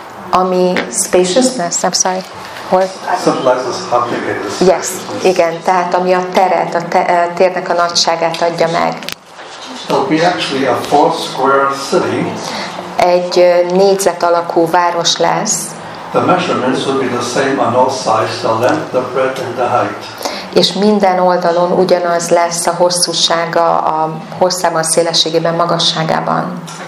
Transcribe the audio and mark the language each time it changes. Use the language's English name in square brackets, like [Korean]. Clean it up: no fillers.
[Hungarian] Ami [English] spaciousness, I'm sorry. [Hungarian] Hol? [English] Symbolizes how big it is. Yes, [Hungarian] igen, tehát ami a teret, a térnek a nagyságát adja meg. [English] It'll be actually a 4-square city. [Hungarian] Egy négyzet alakú város lesz. [English] The measurements will be the same on all sides, the length, the breadth and the height. [Hungarian] És minden oldalon ugyanaz lesz a hosszúsága, a hosszában, a szélességében, magasságában.